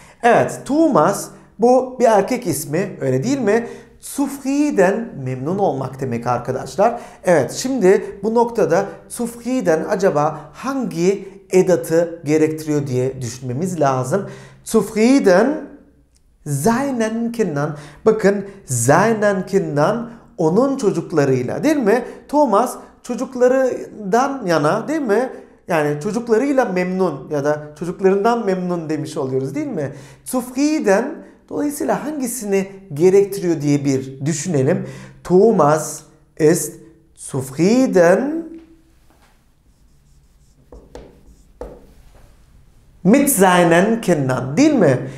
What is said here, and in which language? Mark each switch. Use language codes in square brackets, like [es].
[tr] Evet, Thomas bu bir erkek ismi, öyle değil mi? Zufrieden, memnun olmak demek arkadaşlar. Evet, şimdi bu noktada zufrieden acaba hangi edatı gerektiriyor diye düşünmemiz lazım. [de] Zufrieden seinen Kindern. [tr] Bakın, [de] seinen Kindern, [tr] onun çocuklarıyla, değil mi? Thomas çocuklarından yana, değil mi? Yani çocuklarıyla memnun ya da çocuklarından memnun demiş oluyoruz değil mi? Zufrieden dolayısıyla hangisini gerektiriyor diye bir düşünelim. [de] Thomas ist zufrieden mit seinen Kindern, [tr] değil mi?